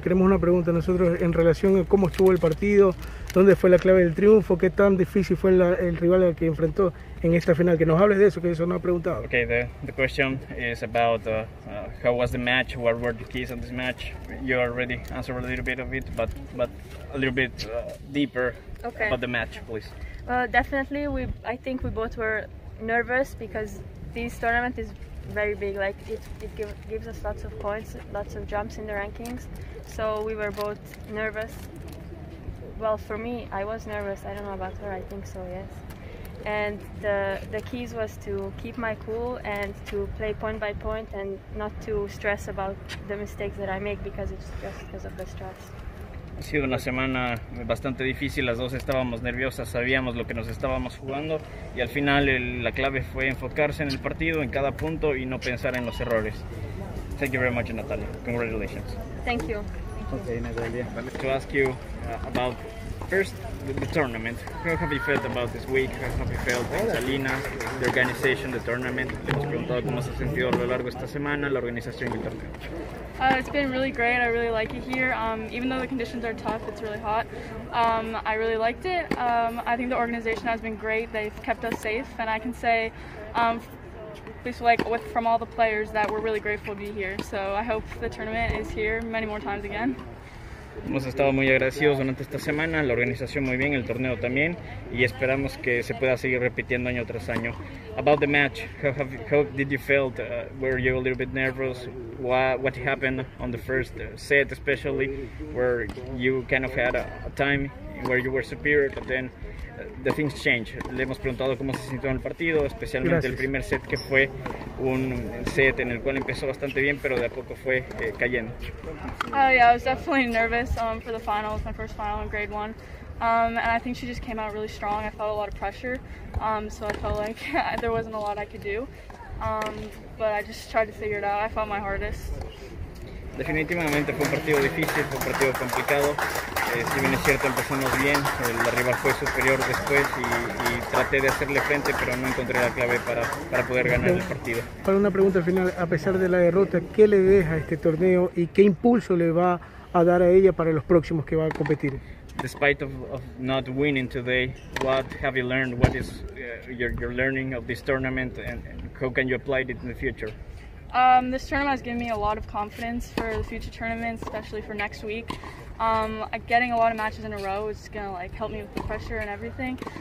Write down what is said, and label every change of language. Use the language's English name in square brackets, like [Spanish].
[Spanish] Queremos una pregunta nosotros en relación a cómo estuvo el partido, dónde fue la clave del triunfo, qué tan difícil fue el rival al que enfrentó en esta final. Que nos hables de eso, que eso no ha preguntado. [English] Okay, the question is about how was the match, what were the keys on this match. You already answered a little bit of it, but a little bit deeper, okay, about the match, please. Well, definitely, I think we both were nervous because this tournament is very big. Like it gives us lots of points, lots of jumps in the rankings. So we were both nervous. Well, for me, I was nervous. I don't know about her. I think so, yes. And the keys was to keep my cool and to play point by point and not to stress about the mistakes that I make because it's just because of the stress. [Spanish] Ha sido una semana bastante difícil. Las dos estábamos nerviosas, sabíamos lo que nos estábamos jugando y al final la clave fue enfocarse en el partido, en cada punto y no pensar en los errores. [English] Thank you very much, Natalia. Congratulations. Thank you. Okay, Natalia. I'd like to ask you about first the tournament. How have you felt about this week? How have you felt in Salinas, the organization, the tournament? [Spanish] Le hemos preguntado cómo se ha sentido a lo largo de esta semana, la organización y el torneo. [English] It's been really great. I really like it here. Even though the conditions are tough, it's really hot. I really liked it. I think the organization has been great. They've kept us safe, and I can say, from all the players, that we're really grateful to be here. So I hope the tournament is here many more times again. [Spanish] Hemos estado muy agradecidos durante esta semana, la organización muy bien, el torneo también, y esperamos que se pueda seguir repitiendo año tras año. [English] About the match, how did you feel? Were you a little bit nervous? What happened on the first set, especially where you kind of had a time where you were superior, but then the things changed. [Spanish] Le hemos preguntado cómo se sintió en el partido, especialmente Gracias. El primer set, que fue un set en el cual empezó bastante bien, pero de a poco fue cayendo. [English] Yeah, I was definitely nervous for the finals, my first final in grade 1. And I think she just came out really strong. I felt a lot of pressure, so I felt like there wasn't a lot I could do. But I just tried to figure it out. I fought my hardest. [Spanish] Definitivamente fue un partido difícil, fue un partido complicado. Si bien es cierto, empezamos bien, el rival fue superior después y traté de hacerle frente, pero no encontré la clave para poder ganar el partido. Para una pregunta final, a pesar de la derrota, ¿qué le deja este torneo y qué impulso le va a dar a ella para los próximos que va a competir? [English] Despite of not winning today, what have you learned? What is your learning of this tournament and how can you apply it in the future? This tournament has given me a lot of confidence for the future tournaments, especially for next week. Getting a lot of matches in a row is going to like help me with the pressure and everything.